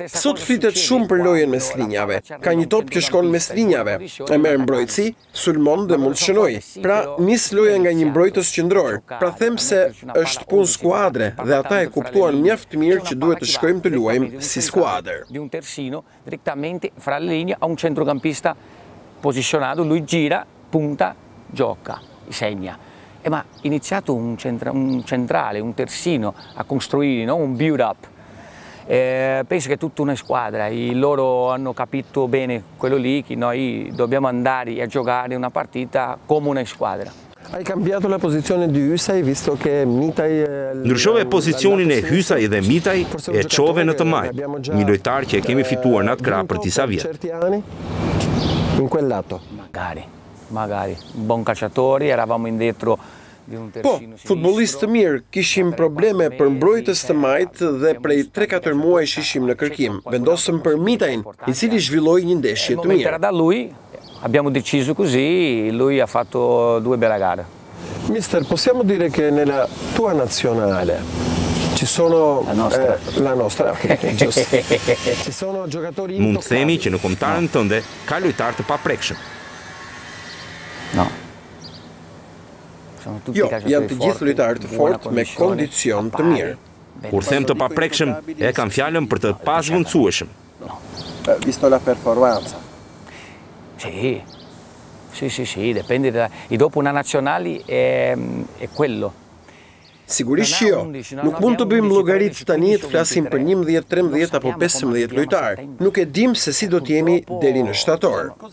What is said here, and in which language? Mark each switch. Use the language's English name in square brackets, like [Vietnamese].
[Albanian] Sot flitet shumë për lojën mes linjave. Ka një top që shkon mes linjave, e merr mbrojtësi, sulmon dhe mund të shënojë. Pra nis loja nga një mbrojtës qendror. Pra them se është punë skuadre dhe ata e kuptuan mjaft mirë që duhet të shkojmë të luajmë si skuadër. [Italian] Di un terzino direttamente fra le linee a un centrocampista posizionato, lui gira, punta, gioca, segna. E ma iniziato un centrale, un terzino a costruire, no, un build up. Penso che tutta una squadra, i loro hanno capito bene quello lì, che noi dobbiamo andare a giocare una partita come una squadra. Ai cambiato la posizione di Hysaj, visto che Mitaj... [Albanian] Ndryshove posicionin e Hysaj dhe Mitaj e qove në të majtë, një lojtar që e kemi fituar në atë krah për disa vjetë. [Italian] In quel lato. Magari, un buon calciatore, eravamo indietro. [Albanian] Po, futbolist të mirë, kishim probleme për mbrojtës të majtë dhe prej 3-4 muaj ishim në kërkim. Vendosëm për Mitajn, i cili zhvilloi një ndeshje të mirë. [Italian] Abbiamo deciso così, lui ha fatto due belle gare. Mister, possiamo dire che nella tua nazionale ci sono... La nostra, giusto. Ci sono giocatori... [Albanian] Mund themi që në kontarën tënde ka lojtar të paprekshëm. [Italian] No. [Albanian] Jo, janë të gjithë lojtarë të fortë me kondicion të mirë. Kur them të paprekshëm, e kam fjalën për të pazhvendësueshëm. [Italian] No. Visto la performance. Sì, dipende da... E dopo una nazionale è quello. [Albanian] Sigurisht jo, nuk mund të bëjmë llogaritë tani të flasim për 11, 13 apo 15 lojtarë. Nuk e dim se si do të jemi deri në shtator.